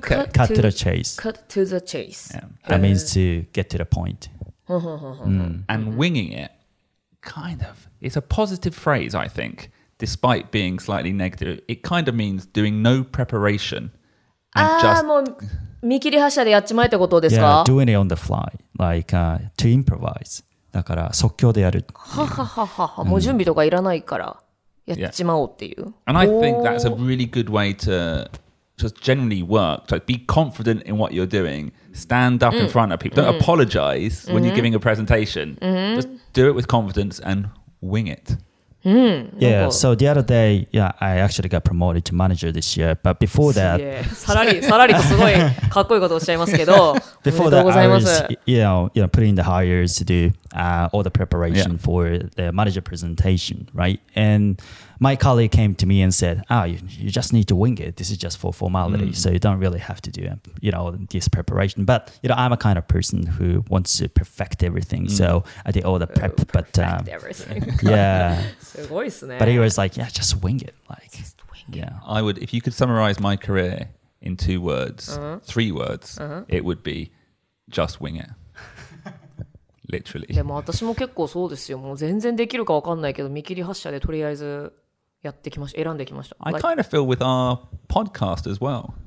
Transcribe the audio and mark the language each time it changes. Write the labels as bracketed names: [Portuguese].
[English] Cut to the chase. Cut to the chase. Yeah. That means to get to the point. And winging it. Kind of. It's a positive phrase, I think, despite being slightly negative. It kind of means doing no preparation and just... [Japanese] もう見切り発車でやっちまえってことですか? [English] Yeah, doing it on the fly, like to improvise. [Japanese] だから即興でやる。ははは、もう準備とかいらないからやっちまおうっていう。 [English] And I think that's a really good way to just generally work. To be confident in what you're doing. Stand up in front of people. Don't apologize when you're giving a presentation. Just do it with confidence and wing it. Yeah, so the other day, yeah, I actually got promoted to manager this year. But before that... [Japanese] さらりとすごいかっこいいことをおっしゃいますけど、 [English] Before that, I was you know, putting the hires to do all the preparation for the manager presentation, right? And my colleague came to me and said, you just need to wing it. This is just for formality. So you don't really have to do, you know, this preparation. But, you know, I'm a kind of person who wants to perfect everything. So I did all the prep. But he was like, yeah, just wing it. Like, I would, if you could summarize my career in two words, three words, it would be just wing it. Literally. [Japanese] でも私も結構そうですよ。もう全然できるか分かんないけど、見切り発車でとりあえずやってきました。選んできました。 [English] I kind of feel with our podcast as well.